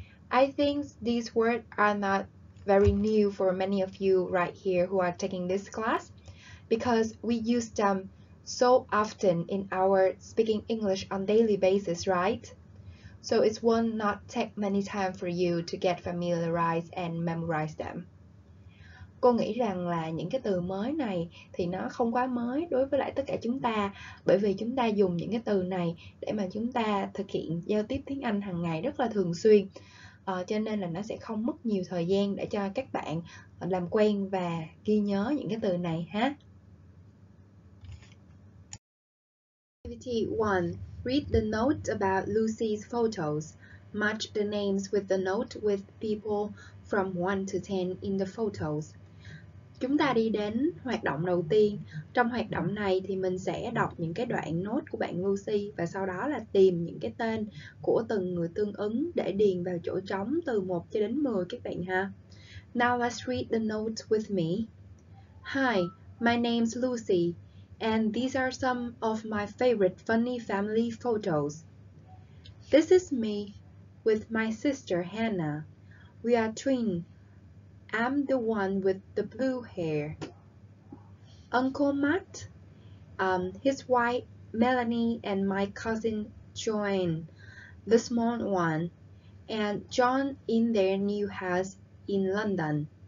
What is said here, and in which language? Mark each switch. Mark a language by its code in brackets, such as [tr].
[en] I think these words are not very new for many of you right here who are taking this class, because we use them so often in our speaking English on daily basis, right? So it will not take many time for you to get familiarized and memorize them. [vi] Cô nghĩ rằng là những cái từ mới này thì nó không quá mới đối với lại tất cả chúng ta, bởi vì chúng ta dùng những cái từ này để mà chúng ta thực hiện giao tiếp tiếng Anh hàng ngày rất là thường xuyên. Cho nên là nó sẽ không mất nhiều thời gian để cho các bạn làm quen và ghi nhớ những cái từ này ha. [en] Activity 1. Read the note about Lucy's photos. Match the names with the note with people from 1 to 10 in the photos. [vi] Chúng ta đi đến hoạt động đầu tiên. Trong hoạt động này thì mình sẽ đọc những cái đoạn note của bạn Lucy và sau đó là tìm những cái tên của từng người tương ứng để điền vào chỗ trống từ 1 cho đến 10 các bạn ha. [en] Now let's read the note with me. Hi, my name's Lucy and these are some of my favorite funny family photos. This is me with my sister Hannah. We are twins. I'm the one with the blue hair. Uncle Matt, his wife Melanie, and my cousin Joanne, the small one, and John in their new house in London.